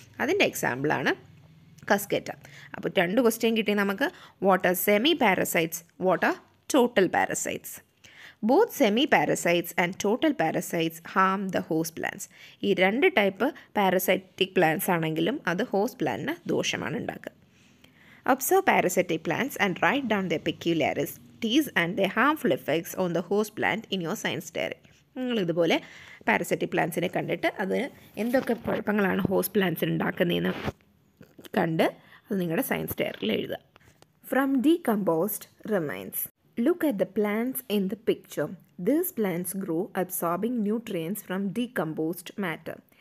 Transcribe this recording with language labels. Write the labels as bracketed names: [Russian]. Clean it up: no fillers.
[Malayalam] അതിൻ്റെ എക്സാമ്പിളാണ് കസ്കറ്റ. അപ്പോൾ രണ്ട് ക്വസ്റ്റ്യൻ കിട്ടി നമുക്ക്, [English] What are semi parasites, what are total parasites? Both semi parasites and total parasites harm the host plants. [Malayalam] ഈ രണ്ട് ടൈപ്പ് പാരസൈറ്റിക് പ്ലാന്റ്സ് ആണെങ്കിലും അത് ഹോസ്റ്റ് പ്ലാന്റിന് ദോഷമാണ് ഉണ്ടാക്കുക. [English] Observe parasitic plants and write down their peculiarities and their harmful effects on the host plant in your science diary. [Malayalam] ഇതുപോലെ പാരസറ്റിക് പ്ലാന്റ്സിനെ കണ്ടിട്ട് അത് എന്തൊക്കെ കുഴപ്പങ്ങളാണ് ഹോസ്റ്റ് പ്ലാന്റ്സിന് ഉണ്ടാക്കുന്നതെന്ന് കണ്ട് അത് നിങ്ങളുടെ സയൻസ് ഡയറിയിൽ എഴുതുക. [English] From decomposed remains. Look at the plants in the picture. These plants grow absorbing nutrients from decomposed matter.